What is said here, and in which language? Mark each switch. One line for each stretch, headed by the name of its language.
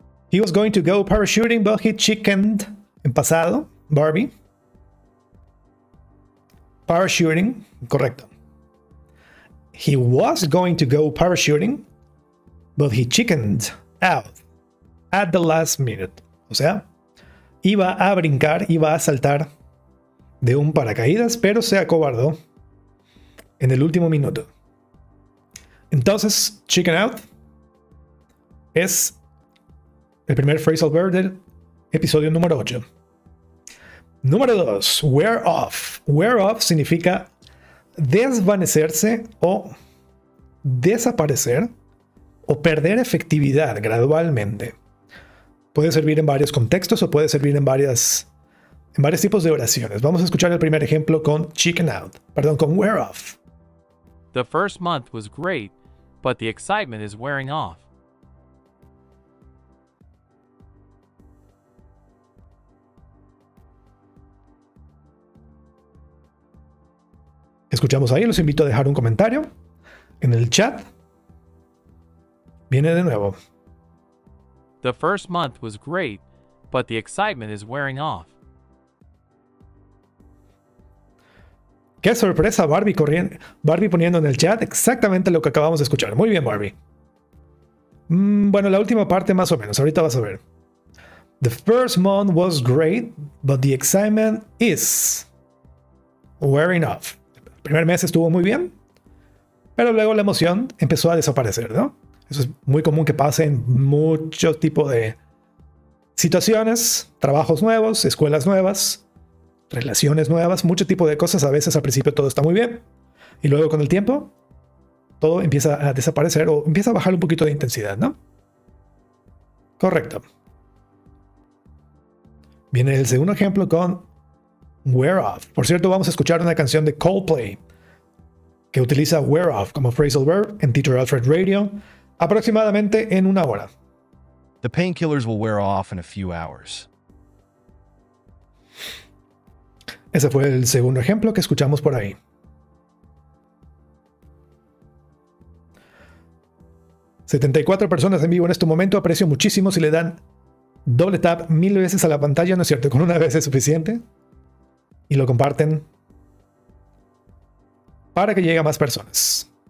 English: He was going to go parachuting, but he chickened.
Spanish: En pasado, Barbie.
English: Parachuting, correcto. He was going to go parachuting, but he chickened out at the last minute.
Spanish: O sea, iba a brincar, iba a saltar de un paracaídas, pero se acobardó en el último minuto. Entonces, chicken out es el primer phrasal verb del episodio número 8. Número 2. Wear off. Wear off significa desvanecerse o desaparecer o perder efectividad gradualmente. Puede servir en varios contextos o puede servir en varios tipos de oraciones. Vamos a escuchar el primer ejemplo con chicken out. Perdón, con wear off.
English: The first month was great, but the excitement is wearing off.
Spanish: Escuchamos ahí, los invito a dejar un comentario en el chat. Viene de nuevo.
English: The first month was great, but the excitement is wearing off.
Spanish: Qué sorpresa, Barbie corriendo, Barbie poniendo en el chat exactamente lo que acabamos de escuchar. Muy bien, Barbie. Bueno, la última parte más o menos, ahorita vas a ver.
English: The first month was great, but the excitement is wearing off.
Spanish: El primer mes estuvo muy bien, pero luego la emoción empezó a desaparecer, ¿no? Eso es muy común que pase en mucho tipo de situaciones, trabajos nuevos, escuelas nuevas, relaciones nuevas, mucho tipo de cosas. A veces al principio todo está muy bien y luego con el tiempo todo empieza a desaparecer o empieza a bajar un poquito de intensidad, ¿no? Correcto. Viene el segundo ejemplo con wear off. Por cierto, vamos a escuchar una canción de Coldplay que utiliza wear off como phrasal verb en Teacher Alfred Radio aproximadamente en una hora.
English: The painkillers will wear off in a few hours.
Spanish: Ese fue el segundo ejemplo que escuchamos por ahí. ...74 personas en vivo en este momento. Aprecio muchísimo si le dan doble tap mil veces a la pantalla, ¿no es cierto? Con una vez es suficiente. Y lo comparten para que llegue a más personas.